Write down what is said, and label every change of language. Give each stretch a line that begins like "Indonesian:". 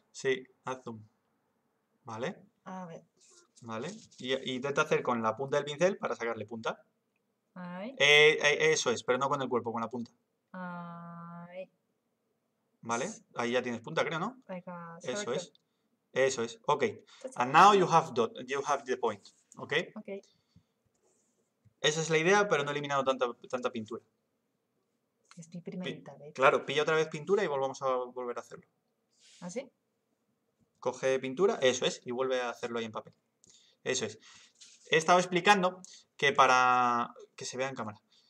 Spanish: Sí, haz zoom. ¿Vale? A ver. ¿Vale? Y intenta hacer con la punta del pincel para sacarle punta. Ay. Eso es, pero no con el cuerpo, con la punta. Ay. ¿Vale? Ahí ya tienes punta, creo, ¿no?
English: Like
Spanish: eso es. Eso es. Ok.
English: And now you have the point. Ok. Ok.
Spanish: Esa es la idea, pero no he eliminado tanta pintura. Es mi primera vez. Claro, pilla otra vez pintura y volvamos a volver a hacerlo. ¿Ah, sí? Coge pintura, eso es, y vuelve a hacerlo ahí en papel. Eso es. He estado explicando que para... Que se vea en cámara.